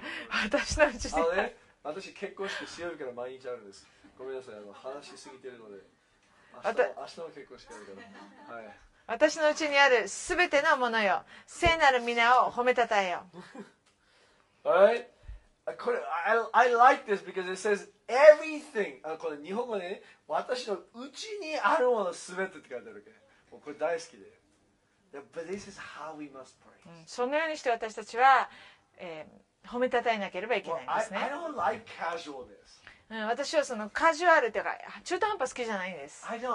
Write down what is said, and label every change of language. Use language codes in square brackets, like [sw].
[ja] 私のうちで、ね、私結婚式水曜日から毎日あるんです。ごめんなさい、話しすぎてるので、明日も結婚式あるから、はい、私のうちにあるすべてのものよ、聖なる皆を褒めたたえよ。 [en] Alright, これ I like this because it says everything. [ja] これ日本語で、ね、私のうちにあるものすべてって書いてあるわけ。もうこれ大好きで。 [en] But this is how we must pray. [ja] そのようにして私たちは、褒めたたえなければいけないんですね。 [en] Well, I don't like casualness. [ja] 私はそのカジュアルというか中途半端好きじゃないんです。